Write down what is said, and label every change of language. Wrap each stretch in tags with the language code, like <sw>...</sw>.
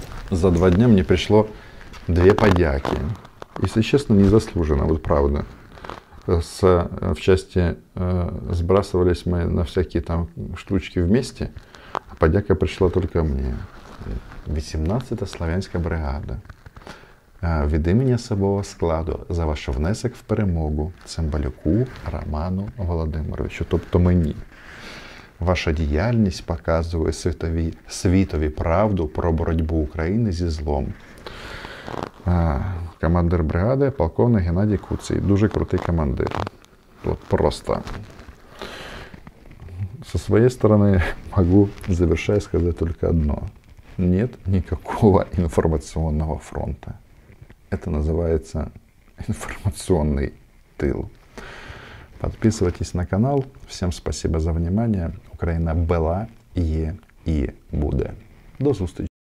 <ru>За 2 дня мне пришло 2 подяки. Если честно, незаслуженно, вот правда. В части сбрасывались мы на всякие там штучки вместе, а подяка пришла только мне. 18-я славянская бригада.</ru> <uk>від імені особового складу за ваш внесок в перемогу Цимбалюку Роману Володимировичу, тобто мені. Ваша діяльність показує світові правду про боротьбу України зі злом. Командир бригади, полковник Геннадій Куцій. Дуже крутий командир. От просто. Со своєї сторони можу завершити сказати тільки одне.</uk> <ru>Нет никакого информационного фронта. Это называется информационный тыл. Подписывайтесь на канал. Всем спасибо за внимание. Украина была, есть и будет. До встречи.</ru>